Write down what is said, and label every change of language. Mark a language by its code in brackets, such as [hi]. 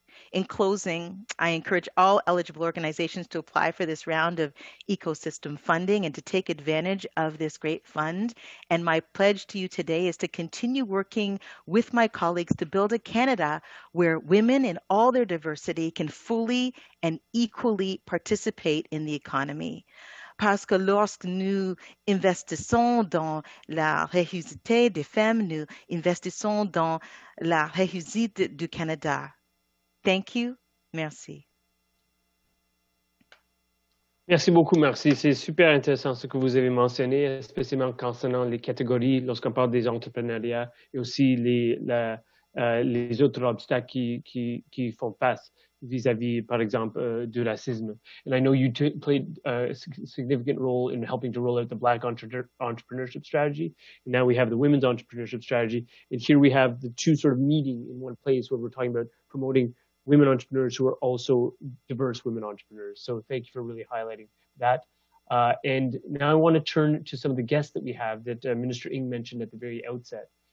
[en] In closing, I encourage all eligible organizations to apply for this round of ecosystem funding and to take advantage of this great fund. And my pledge to you today is to continue working with my colleagues to build a Canada where women in all their diversity can fully and equally participate in the economy. [fr] Parce que lorsque nous investissons dans la réussite des femmes, nous investissons dans la réussite du Canada. [en] Thank you. [fr] Merci. Merci beaucoup, Marci. C'est super intéressant ce que vous avez mentionné, spécialement concernant les catégories lorsqu'on parle des entrepreneuriats et aussi les autres obstacles qui font face vis-à-vis, par exemple, du racisme. [en] And I know you played a significant role in helping to roll out the Black Entrepreneurship Strategy. And now we have the Women's Entrepreneurship Strategy. And here we have the two sort of meeting in one place where we're talking about promoting women entrepreneurs who are also diverse women entrepreneurs. So thank you for really highlighting that. And now I want to turn to some of the guests that we have that Minister Ng mentioned at the very outset.